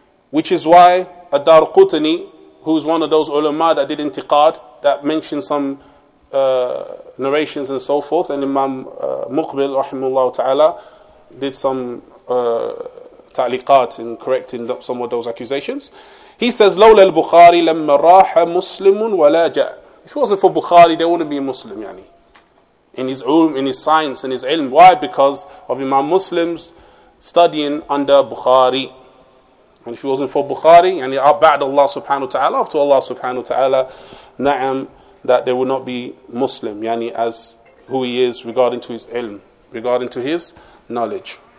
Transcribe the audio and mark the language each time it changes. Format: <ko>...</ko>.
<en>Which is why Ad-Darqutni, who is one of those ulama that did intiqad, that mentioned some narrations and so forth, and Imam Muqbil, rahimahullah ta'ala, did some ta'liqat in correcting some of those accusations. He says,</en> <ar>لولا البخاري لما راح مسلم ولا جاء.</ar> <en>If it wasn't for Bukhari, they wouldn't be Muslim, yani. In his ulm, in his science, in his ilm. Why? Because of Imam Muslim's studying under Bukhari. And if it wasn't for Bukhari, yani, ba'd Allah subhanahu wa ta'ala, after Allah subhanahu wa ta'ala, na'am, that they would not be Muslim, yani, as who he is regarding to his ilm, regarding to his knowledge.</en>